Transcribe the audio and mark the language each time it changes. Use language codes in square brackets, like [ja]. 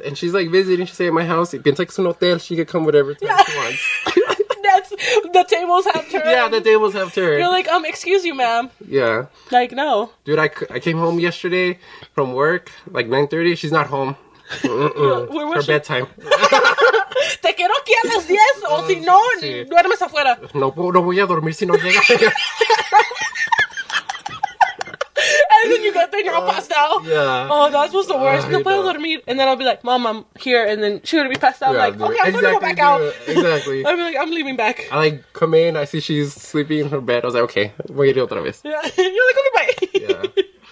[en] And she's like visiting. She's at my house. [es] Piensa que es un hotel. [en] She could come whatever time she wants. The tables have turned. Yeah, the tables have turned. You're like, excuse you, ma'am. Yeah. Like, no. Dude, I came home yesterday from work, like 9:30. She's not home. Where was her she? Bedtime. [es] Te quiero aquí a las 10, o si no, duermes afuera. No voy a dormir si no llega. [en] And then you got there and you're all passed out. Yeah. Oh, that was the worst. [es] No puedo dormir. [en] And then I'll be like, Mom, I'm here. And then she's going to be passed out. Yeah, like, okay, I'm going to go back out. Exactly. I'll be like, I'm leaving back. I like come in. I see she's sleeping in her bed. I was like, okay, [es] voy a ir otra vez. [en] Yeah. You're like, okay, bye.